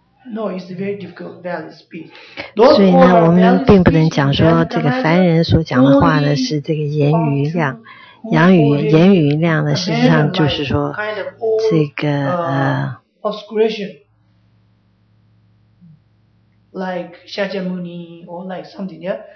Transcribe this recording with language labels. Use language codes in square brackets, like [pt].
[en] No, it's very difficult valid speech. [zh] 所以呢，我们并不能讲说这个凡人所讲的话呢是这个言语量，言语量呢，实际上就是说这个 [en] obscuration, like Shakyamuni or like something, yeah.